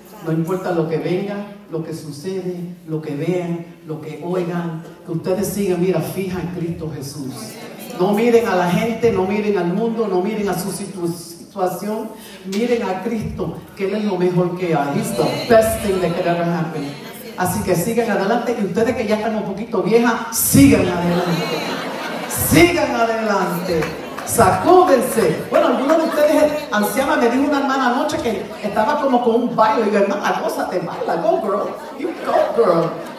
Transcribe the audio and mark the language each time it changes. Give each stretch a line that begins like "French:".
Spanish: No importa lo que venga, lo que sucede, lo que vean, lo que oigan, que ustedes sigan, mira, fija en Cristo Jesús. No miren a la gente, no miren al mundo, no miren a su situación. Miren a Cristo, que Él es lo mejor que hay.
English: He's the best thing that could ever happen.
Spanish: Así que sigan adelante. Y ustedes que ya están un poquito viejas, sigan adelante. Sigan adelante. Sacúdense. Bueno, alguno de ustedes, anciana, me dijo una hermana anoche que estaba como con un baile. Y yo, hermana, gózate, baila.
English: Go, girl. You go, girl.